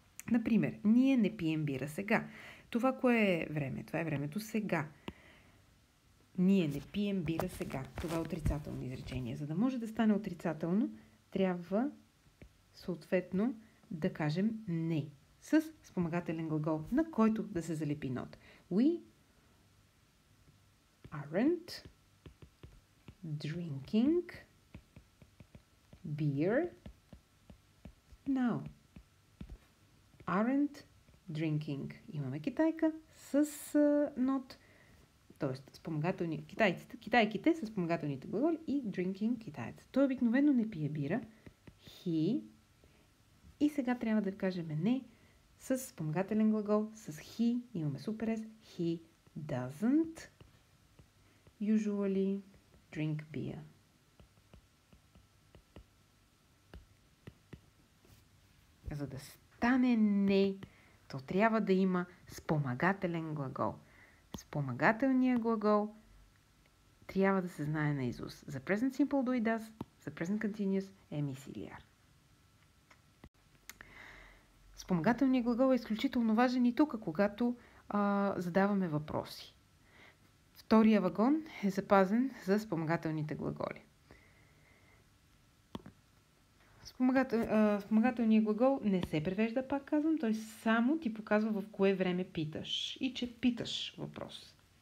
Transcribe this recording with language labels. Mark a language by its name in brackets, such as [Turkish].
[Bulgarian] Например, ние не пием бира сега. Това кое е време? Това е времето сега. Ние не пием бира сега. Това е отрицателно изречение. За да може да стане отрицателно, трябва съответно да кажем не. С спомагателен глагол, на който да се залепи нот. [English] We aren't drinking beer now. Aren't drinking. [Bulgarian] Имаме китайка с нот, т.е. спомагателни китайците, китайките с спомагателните глаголи и drinking китаец. Той обикновено не пие бира. [English] He. [Bulgarian] И сега трябва да кажем не с спомагателен глагол, с he. Имаме супер ес. [English] He doesn't usually drink beer. [Bulgarian] За да стане не, то трябва да има спомагателен глагол. Спомагателният глагол трябва да се знае на изус. За present simple do и does, за present continuous am, is или are. Спомагателният глагол е изключително важен и тук, когато задаваме въпроси. Втория вагон е запазен за спомагателните глаголи. Спомагателният глагол не се превежда, пак казвам, той само ти показва в кое време питаш и че питаш въпрос.